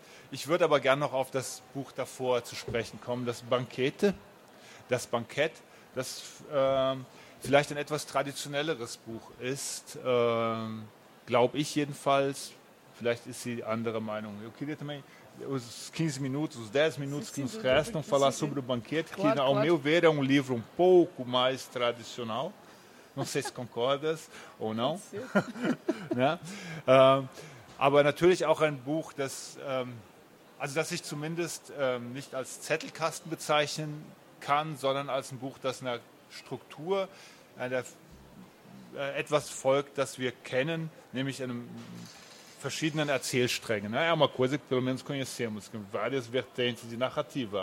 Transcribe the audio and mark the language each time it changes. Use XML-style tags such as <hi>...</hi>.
<de>Ich würde aber gerne noch auf das Buch davor zu sprechen kommen, das Bankett, das vielleicht ein etwas traditionelleres Buch ist, glaube ich jedenfalls. Vielleicht ist sie anderer Meinung.</de> <pt>Eu queria também, os 15 minutos, os 10 minutos que nos restam, falar sobre O Banquete, que, ao meu ver, é um livro um pouco mais tradicional. Não sei se concordas ou não.</pt> <de>Aber natürlich auch ein Buch, das Also dass ich zumindest nicht als Zettelkasten bezeichnen kann, sondern als ein Buch, das einer Struktur, einer etwas folgt, das wir kennen, nämlich einem verschiedenen Erzählsträngen.</de> <pt>Na, é uma coisa que pelo menos conhecemos, com várias vertentes de narrativa.</pt>